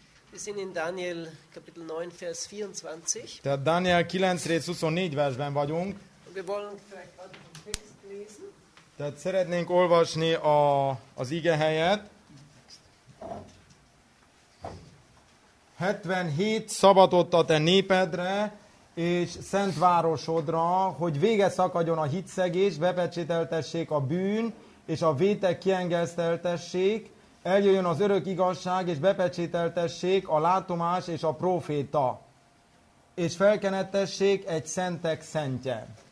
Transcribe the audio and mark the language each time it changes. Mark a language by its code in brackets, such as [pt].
[de] Wir sind in Daniel Kapitel 9 Vers 24. [hu] Tehát Daniel 9 rész 24 versben vagyunk. [de] Und wir wollen direkt den Text lesen. [hu] Tehát szeretnénk olvasni az ige helyet. 77 szabadott a te népedre és szent városodra, hogy vége szakadjon a hitszegés, bepecsételtessék a bűn, és a vétek kiengeszteltessék, eljöjjön az örök igazság, és bepecsételtessék a látomás és a proféta, és felkenettessék egy szentek szentje.